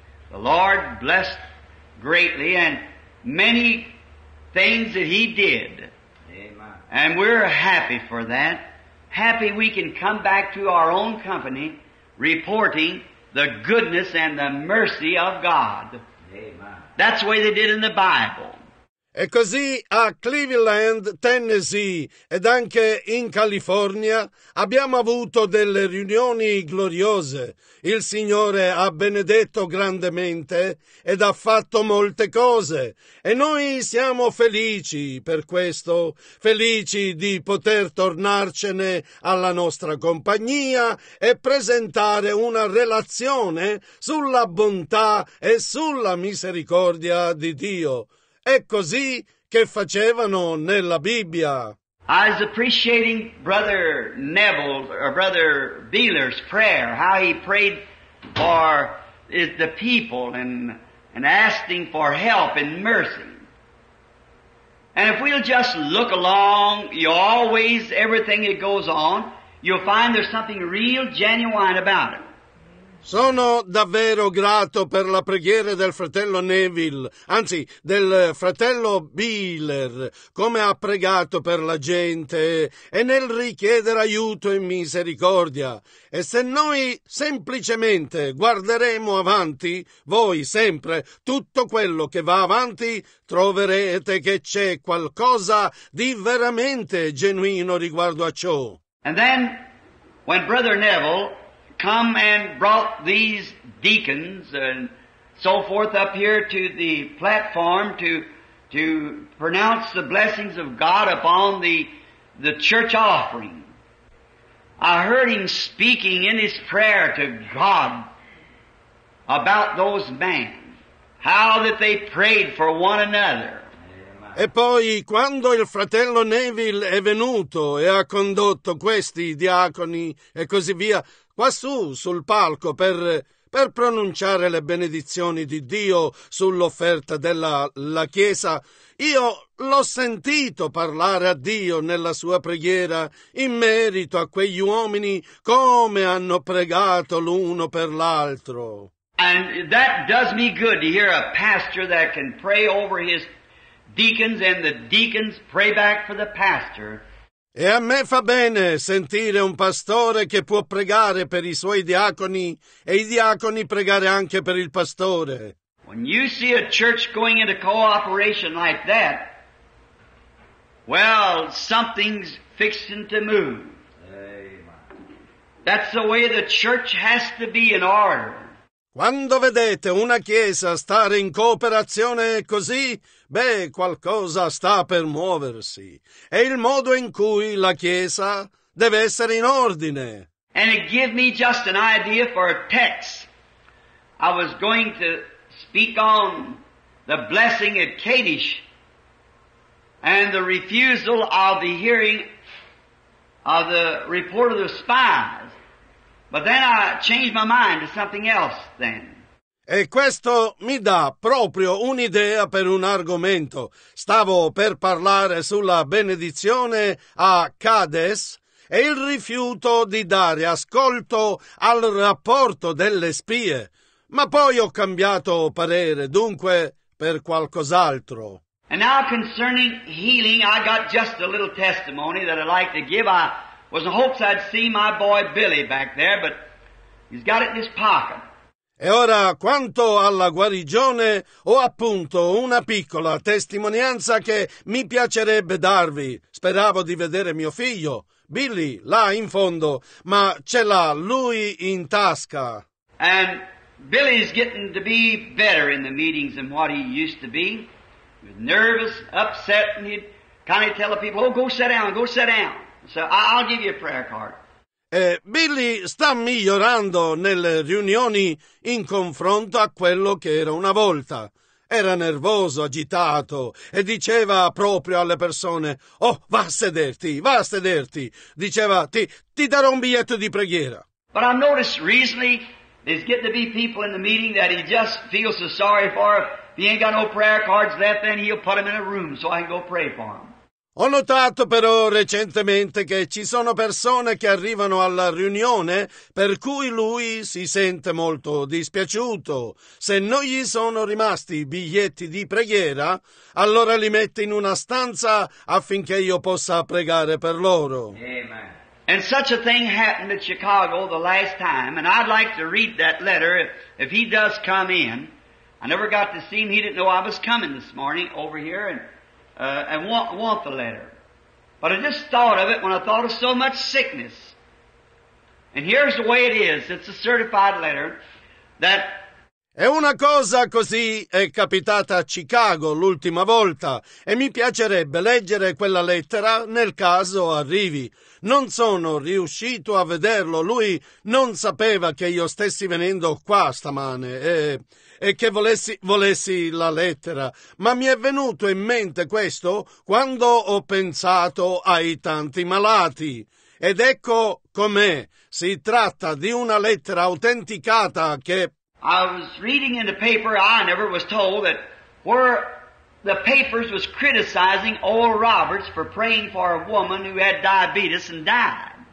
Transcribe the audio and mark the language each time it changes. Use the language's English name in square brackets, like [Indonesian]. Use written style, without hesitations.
[English] The Lord blessed greatly, and many things that He did. Amen. And we're happy for that. Happy we can come back to our own company reporting the goodness and the mercy of God. Amen. That's the way they did in the Bible. [Italian] E così a Cleveland, Tennessee, ed anche in California, abbiamo avuto delle riunioni gloriose. Il Signore ha benedetto grandemente ed ha fatto molte cose. E noi siamo felici per questo, felici di poter tornarcene alla nostra compagnia e presentare una relazione sulla bontà e sulla misericordia di Dio. È così che facevano nella Bibbia. [English] I was appreciating Brother Neville, or Brother Beeler's prayer, how he prayed for the people and asking for help and mercy. And if we'll just look along, you always, everything that goes on, you'll find there's something real genuine about it. [Italian] Sono davvero grato per la preghiera del fratello Neville, anzi del fratello Beeler, come ha pregato per la gente e nel richiedere aiuto e misericordia. E se noi semplicemente guarderemo avanti, voi sempre, tutto quello che va avanti, troverete che c'è qualcosa di veramente genuino riguardo a ciò. [English] And then, when Brother Neville come and brought these deacons and so forth up here to the platform to pronounce the blessings of God upon the church offering. I heard him speaking in his prayer to God about those men, how that they prayed for one another. [Italian] E poi, quando il fratello Neville è venuto e ha condotto questi diaconi e così via, quassù sul palco per pronunciare le benedizioni di Dio sull'offerta della la Chiesa, io l'ho sentito parlare a Dio nella sua preghiera in merito a quegli uomini come hanno pregato l'uno per l'altro. [English] And that does me good to hear a pastor that can pray over his deacons and the deacons pray back for the pastor. [Italian] E a me fa bene sentire un pastore che può pregare per i suoi diaconi e i diaconi pregare anche per il pastore. [English] When you see a church going into cooperation like that, well, something's fixing to move. Amen. That's the way the church has to be in order. [Italian] Quando vedete una chiesa stare in cooperazione così, beh, qualcosa sta per muoversi. È il modo in cui la chiesa deve essere in ordine. [English] And it gave me just an idea for a text. I was going to speak on the blessing at Kadesh and the refusal of the hearing of the report of the spies. But then I changed my mind to something else then. [Italian] E questo mi dà proprio un'idea per un argomento. Stavo per parlare sulla benedizione a Kadesh e il rifiuto di dare ascolto al rapporto delle spie. Ma poi ho cambiato parere, dunque, per qualcos'altro. [English] And now concerning healing, I got just a little testimony that I'd like to give. I was in hopes I'd see my boy Billy back there, but he's got it in his pocket. [Italian] E ora, quanto alla guarigione, ho appunto una piccola testimonianza che mi piacerebbe darvi. Speravo di vedere mio figlio, Billy, là in fondo, ma ce l'ha lui in tasca. [English] And Billy's getting to be better in the meetings than what he used to be. He was nervous, upset, and he'd kind of tell the people, oh, go sit down, so I'll give you a prayer card. [Italian] E Billy sta migliorando nelle riunioni in confronto a quello che era una volta. Era nervoso, agitato, e diceva proprio alle persone, oh, va a sederti, diceva, ti darò un biglietto di preghiera. [English] But I've noticed recently, there's getting to be people in the meeting that he just feels so sorry for. If he ain't got no prayer cards left, then he'll put them in a room so I can go pray for him. [Italian] Ho notato però recentemente che ci sono persone che arrivano alla riunione per cui lui si sente molto dispiaciuto. Se non gli sono rimasti i biglietti di preghiera, allora li mette in una stanza affinché io possa pregare per loro. [English] Amen. And such a thing happened at Chicago the last time, and I'd like to read that letter if he does come in. I never got to see him. He didn't know I was coming this morning over here and want the letter. But I just thought of it when I thought of so much sickness. And here's the way it is. It's a certified letter that... [Italian] E una cosa così è capitata a Chicago l'ultima volta e mi piacerebbe leggere quella lettera nel caso arrivi. Non sono riuscito a vederlo. Lui non sapeva che io stessi venendo qua stamane e che volessi la lettera. Ma mi è venuto in mente questo quando ho pensato ai tanti malati. Ed ecco com'è. Si tratta di una lettera autenticata che... [English] I was reading in the paper, I never was told, that where the papers was criticizing Oral Roberts for praying for a woman who had diabetes and died.